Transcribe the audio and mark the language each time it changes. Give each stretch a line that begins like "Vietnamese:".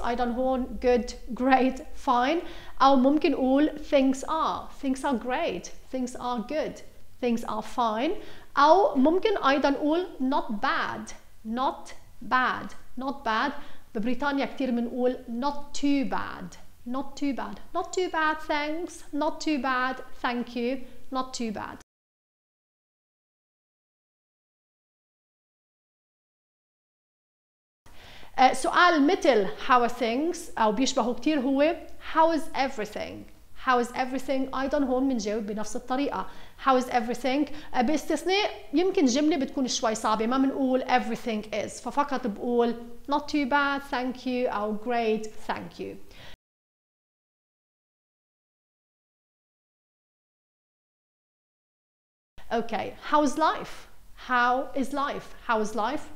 English: I don't want good, great, fine.
Arabic: أو ممكن أقول
English: things are. Things are great. Things are good. Things are fine.
Arabic: أو ممكن أيضاً أقول
English: not bad. Not bad. Not bad.
Arabic: ببريطانيا كتير منقول
English: not too bad. Not too bad. Not too bad, thanks. Not too bad, thank you. Not too bad.
Arabic: سؤال مثل
English: how are things
Arabic: أو بيشبهه كتير هو
English: how is everything. How is everything
Arabic: أيضا هون منجاوب بنفس الطريقة
English: how is everything.
Arabic: باستثناء يمكن جملة بتكون شوي صعبة ما منقول
English: everything is
Arabic: ففقط بقول
English: not too bad thank you
Arabic: أو
English: great thank you. Okay, how is life? How is life? How is life?